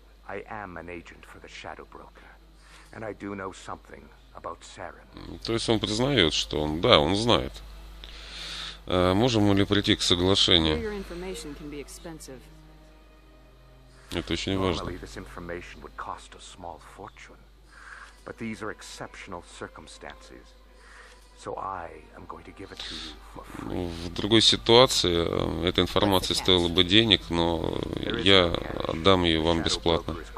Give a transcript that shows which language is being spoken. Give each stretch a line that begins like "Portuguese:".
English: I am an agent for the Shadow Broker, and I do know something about Saren.
Russian: То есть он признает, что он, да, он знает. Можем ли прийти к соглашению?
English: Your information can be expensive.
Russian: Это очень важно.
English: Normally, this information would cost a small fortune, but these are exceptional circumstances.
Russian: Ну, в другой ситуации эта информация стоила бы денег, но я отдам ее вам бесплатно.